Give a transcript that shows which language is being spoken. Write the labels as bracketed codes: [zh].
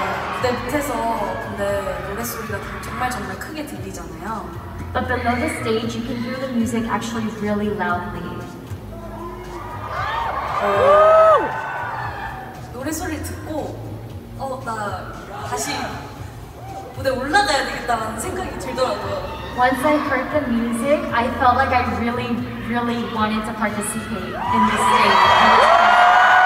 [ko] 무대 밑에서 근데 노래 소리가 정말 정말 크게 들리잖아요. [en] But below the stage, you can hear the music actually really loudly. [ko] 노래 소리 듣고 나 다시 무대 올라가야 되겠다라는 생각이 들더라고요. [en] Once I heard the music, I felt like I really, really wanted to participate in this stage.